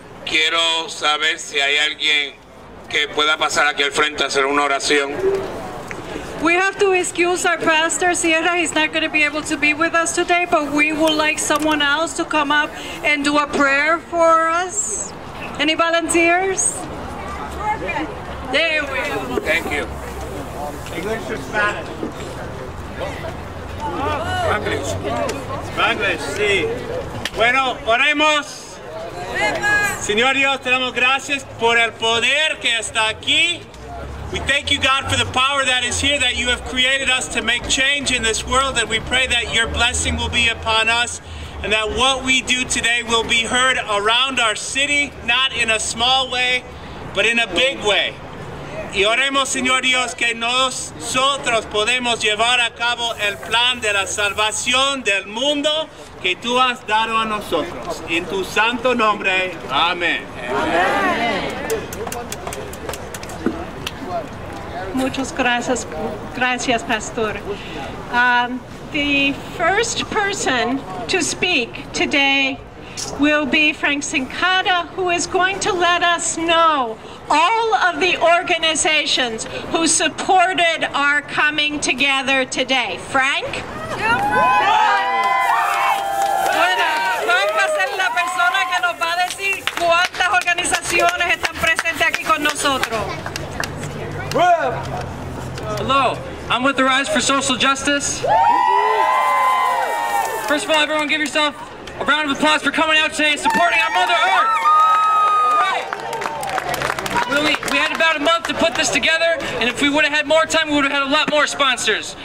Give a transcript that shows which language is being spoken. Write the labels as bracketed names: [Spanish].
[Spanish] Quiero saber si hay alguien que pueda pasar aquí al frente a hacer una oración. [English] We have to excuse our pastor Sierra. He's not going to be able to be with us today, but we would like someone else to come up and do a prayer for us. Any volunteers? There we go. Thank you. English or Spanish? Spanish. Spanish, [Spanish] sí. Bueno, oremos. Señor Dios, te damos gracias por el poder que está aquí. [English] We thank you, God, for the power that is here, that you have created us to make change in this world, and we pray that your blessing will be upon us, and that what we do today will be heard around our city, not in a small way, but in a big way. [Spanish] Y oremos, Señor Dios, que nosotros podemos llevar a cabo el plan de la salvación del mundo que tú has dado a nosotros. En tu santo nombre, amén. Amén. Muchas gracias, gracias, Pastor. [English] The first person to speak today will be Frank Sincada, who is going to let us know all of the organizations who supported our coming together today. Frank? [Spanish] Bueno, Frank va a ser la persona que nos va a decir cuántas organizaciones están presentes aquí con nosotros. [English] Hello, I'm with the Rise for Social Justice. First of all, everyone give yourself a round of applause for coming out today and supporting our Mother Earth. All right. We had about a month to put this together, and if we would have had more time, we would have had a lot more sponsors.